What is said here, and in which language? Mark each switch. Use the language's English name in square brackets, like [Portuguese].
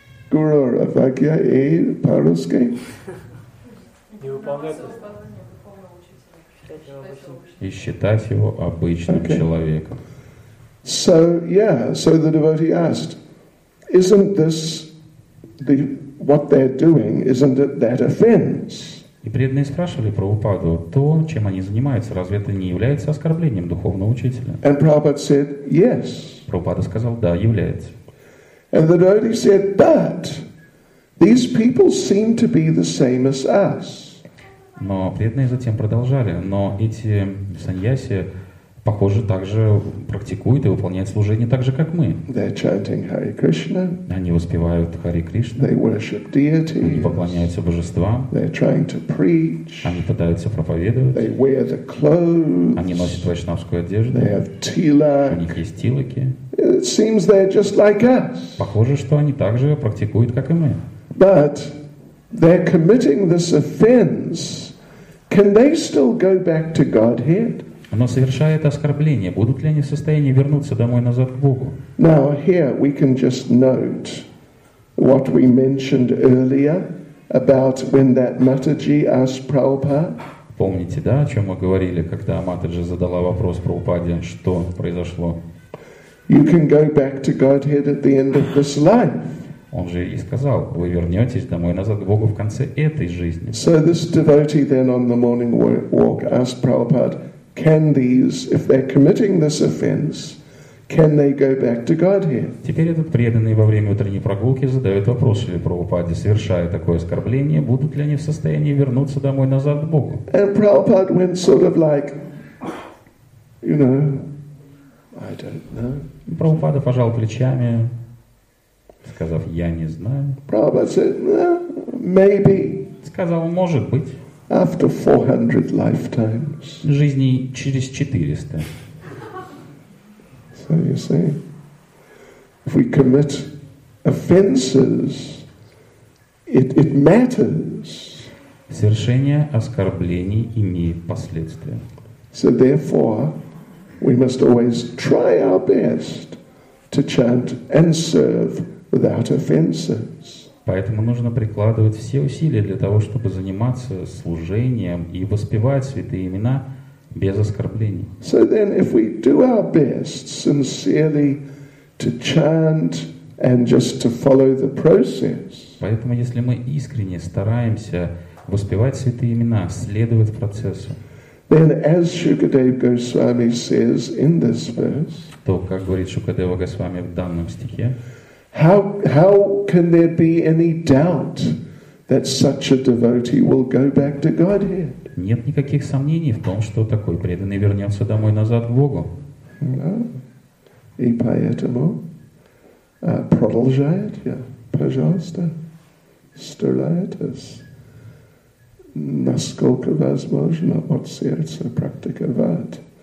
[Russian] Гуру Равагья и по-русски? Не выполняйте. И считать его обычным okay. человеком. [English] So, yeah, so the devotee asked, isn't this the what they're doing, isn't it that offense? [Russian] И преданные спрашивали Прабхупаду, то, чем они занимаются, разве это не является оскорблением духовного учителя? [English] And Prabhupada said, yes. [Russian] Прабхупада сказал, да, является. [English] And the devotee said, but these people seem to be the same as us. [Russian] Но преданные затем продолжали. Но эти саньяси, похоже, также практикуют и выполняют служение так же, как мы. [English] They're chanting Hare Krishna. [Russian] Они воспевают Харе Кришну. [English] They worship deities. [Russian] Они поклоняются божествам. [English] They're trying to preach. [Russian] Они пытаются проповедовать. [English] They wear the clothes. [Russian] Они носят вайшнавскую одежду. [English] They have tilak. [Russian] У них есть тилаки. [English] It seems they're just like us. [Russian] Похоже, что они также практикуют, как и мы. [English] But they're committing this offense. Can they still go back to Godhead? [Russian] Но совершая это оскорбление, будут ли они в состоянии вернуться домой назад к Богу? [English] Now here we can just note what we mentioned earlier about when that Mataji asked Prabhupada. [Russian] Помните, да, о чем мы говорили, когда Матаджи задала вопрос про Прабхупаде, что произошло? [English] You can go back to Godhead at the end of this life. [Russian] Он же и сказал, вы вернетесь домой назад к Богу в конце этой жизни. [English] So this devotee then on the morning walk asked Prabhupada, can these, if they're committing this offense, can they go back to Godhead? [Russian] Теперь этот преданный во время утренней прогулки задает вопрос Шриле Прабхупаде, совершая такое оскорбление, будут ли они в состоянии вернуться домой назад к Богу? [English] And Prabhupada went sort of like, you know, I don't know. [Russian] Прабхупада пожал плечами, сказав, я не знаю. [English] Prabhupada said, no, maybe. [Russian] Сказал, может быть. [English] After 400 lifetimes. [Russian] Жизни через 400. [English] So you see, if we commit offenses, it matters. [Russian] Совершение оскорблений имеет последствия. [English] So therefore, we must always try our best to chant and serve without offenses. [Russian] Поэтому нужно прикладывать все усилия для того, чтобы заниматься служением и воспевать святые имена без оскорблений. [English] So then, if we do our best sincerely to chant and just to follow the process. [Russian] Поэтому, если мы искренне стараемся воспевать святые имена, следовать процессу. [English] Then, as Shukadeva Goswami says in this verse. [Russian] То, как говорит Шукадева Госвами в данном стихе. [English] How can there be any doubt that such a devotee will go back to Godhead? [Russian] Нет никаких сомнений в том, что такой преданный вернется домой назад к Богу. [English] No. [Russian] И поэтому продолжает, я, пожалуйста, старайтесь, насколько возможно от сердца практиковать.